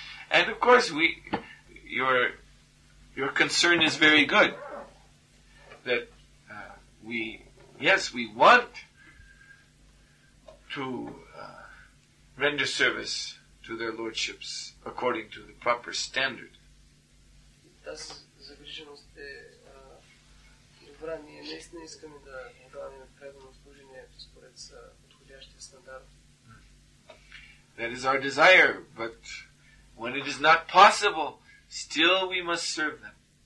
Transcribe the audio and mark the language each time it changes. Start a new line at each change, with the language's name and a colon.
English: And of course, your concern is very good. That we want to render service to their lordships according to the proper standard.
Bulgarian: Тази загриженост е добра. Ние наистина искаме да отдаваме предано служение според подходящия стандарт.
English: That is our desire, but when it is not possible, still we must serve them.